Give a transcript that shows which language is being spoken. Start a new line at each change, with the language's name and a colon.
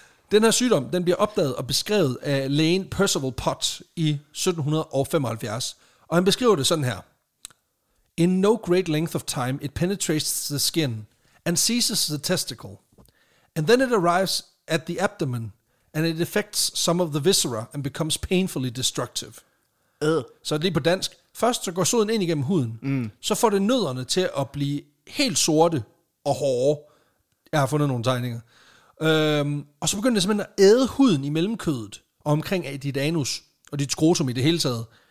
Danish: Den her sygdom, den bliver opdaget og beskrevet af lægen Percival Pott i 1775, og han beskriver det sådan her.
English: In no great length of time, it penetrates the skin and seizes the testicle, and then it arrives at the abdomen, and it affects some of the viscera and becomes painfully destructive.
Danish: Så lige på dansk. Først så går soden ind igennem huden, så får det nødderne til at blive helt sorte og hårde. Jeg har fundet nogle tegninger. Og så begynder det simpelthen at æde huden i mellemkødet og omkring af dit anus og dit skrotum i det hele taget.